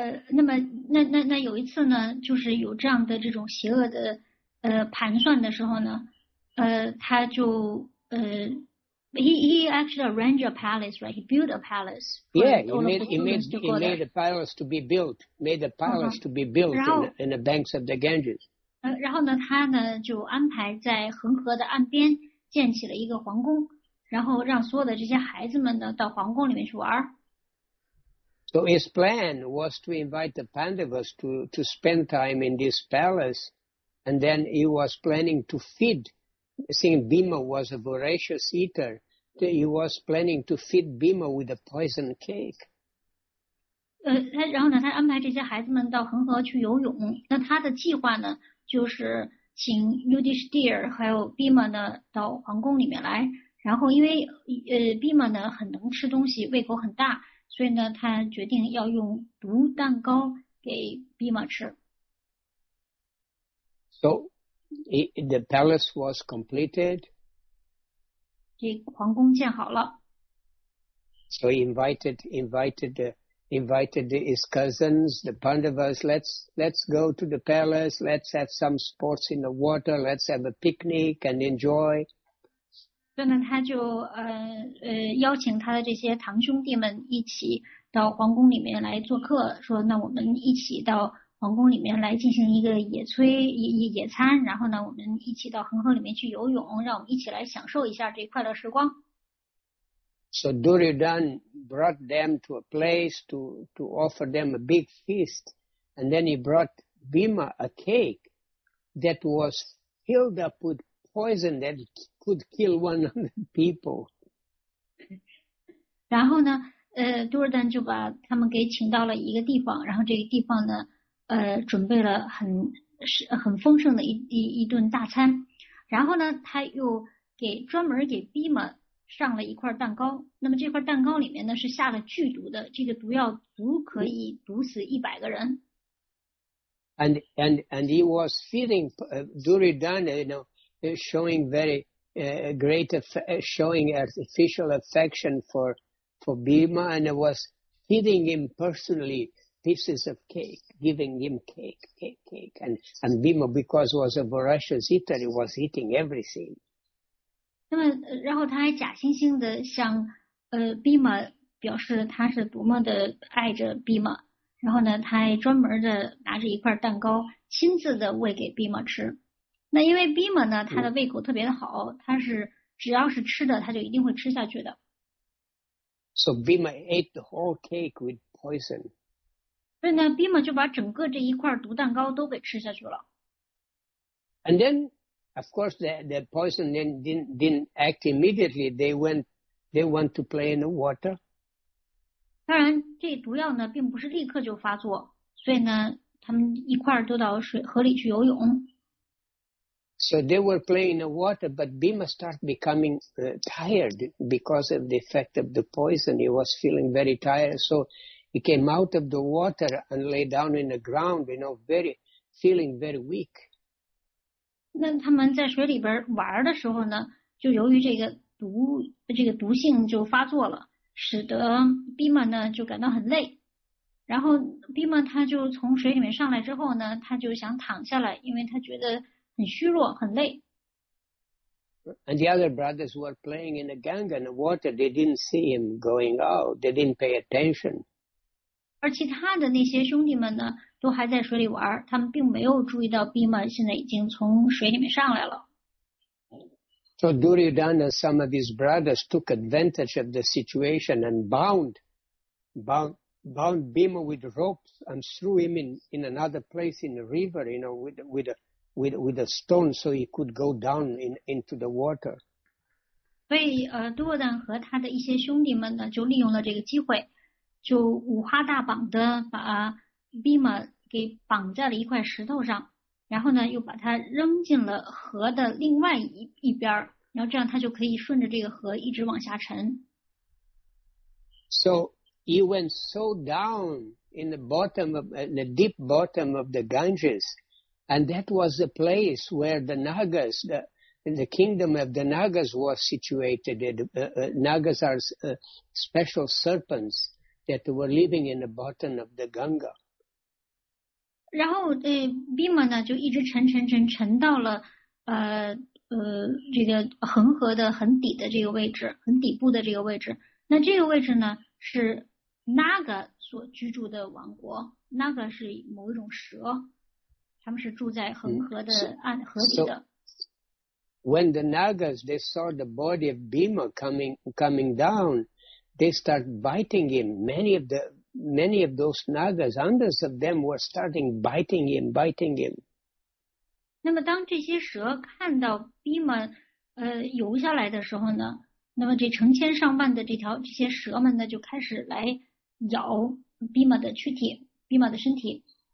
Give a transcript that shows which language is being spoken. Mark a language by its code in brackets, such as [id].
[zh] 那么那有一次呢，就是有这样的这种邪恶的盘算的时候呢，他就 [en] he actually arranged a palace, right? He built a palace. Yeah, he made a palace to be built. Made a palace to be built in the banks of the Ganges. [zh] 然后呢，他呢就安排在恒河的岸边建起了一个皇宫，然后让所有的这些孩子们呢到皇宫里面去玩。 [en] So his plan was to invite the Pandavas to spend time in this palace, and then he was planning to feed. Seeing Bhima was a voracious eater, he was planning to feed Bhima with a poison cake. [zh] 然后呢，他安排这些孩子们到恒河去游泳。那他的计划呢，就是请 Yudhisthira 还有 Bhima 呢到皇宫里面来。然后因为Bhima 呢很能吃东西，胃口很大，所以呢他决定要用毒蛋糕给 Bhima 吃。 [en] So. The palace was completed. [zh] 这皇宫建好了。 [en] So he invited his cousins, the Pandavas. Let's go to the palace. Let's have some sports in the water. Let's have a picnic and enjoy. [zh] 所以呢，他就邀请他的这些堂兄弟们一起到皇宫里面来做客，说那我们一起到皇宫里面来进行一个野餐，然后呢，我们一起到恒河里面去游泳，让我们一起来享受一下这快乐时光。 [en] So Duryodhan brought them to a place to offer them a big feast, and then he brought Bhima a cake that was filled up with poison that could kill 100 people. [zh] 然后呢，Duryodhan 就把他们给请到了一个地方，然后这个地方呢，准备了很丰盛的一顿大餐，然后呢，他又专门给 Bhima 上了一块蛋糕。那么这块蛋糕里面呢是下了剧毒的，这个毒药足可以毒死100个人。 [en] And he was feeding Duryodhana, you know, showing very great showing artificial affection for Bhima, and was feeding him personally pieces of cake, giving him cake, and Bhima, because was a voracious eater, he was eating everything. [zh] 那么，然后他还假惺惺的向Bhima 表示他是多么的爱着 Bhima。然后呢，他还专门的拿着一块蛋糕，亲自的喂给 Bhima 吃。那因为 Bhima 呢，他的胃口特别的好，他是只要是吃的，他就一定会吃下去的。 [en] So Bhima ate the whole cake with poison. [zh] 所以呢 ，Bhima 就把整个这一块毒蛋糕都给吃下去了。 [en] And then, of course, the poison then didn't act immediately. They went to play in the water. [zh] 当然，这毒药呢，并不是立刻就发作，所以呢，他们一块儿都到河里去游泳。 [en] So they were playing in the water, but Bhima started becoming tired because of the effect of the poison. He was feeling very tired, so he came out of the water and lay down in the ground, you know, feeling very weak. [zh] 那他们在水里边玩的时候呢，就由于这个毒性就发作了。使得 Bhima 呢就感到很累，然后 Bhima 他就从水里面上来之后呢，他就想躺下来，因为他觉得很虚弱很累。 [en] And the other brothers were playing in the Ganga in the water. They didn't see him going out. They didn't pay attention. [zh] 而其他的那些兄弟们呢，都还在水里玩，他们并没有注意到 Bhima 现在已经从水里面上来了。 [en] So Duryodhana and some of his brothers took advantage of the situation and bound Bhima with ropes and threw him in another place in the river, you know, with a stone so he could go down into the water. [zh] 所以Duryodhana和他的一些兄弟们呢，就利用了这个机会，就五花大绑的把 Bhima 给绑在了一块石头上。然后呢，又把它扔进了河的另外一边，然后这样它就可以顺着这个河一直往下沉。 [en] So he went so down in the bottom of in the deep bottom of the Ganges, and that was the place where the Nagas, the kingdom of the Nagas was situated. Nagas are special serpents that were living in the bottom of the Ganga. [zh] 然后Bhima 呢就一直沉到了这个恒河的很底的这个位置，很底部的这个位置。那这个位置呢是 Naga 所居住的王国。 Naga 是某一种蛇，他们是住在恒河的河底的。 [en] So, when the Nagas they saw the body of Bhima coming down, they start biting him. Many of those Nagas, hundreds of them were starting biting him. [zh] 那么当这些蛇看到 Bhima 游下来的时候呢，那么这成千上万的这些蛇们呢就开始来咬 Bhima 的躯体， Bhima 的身体。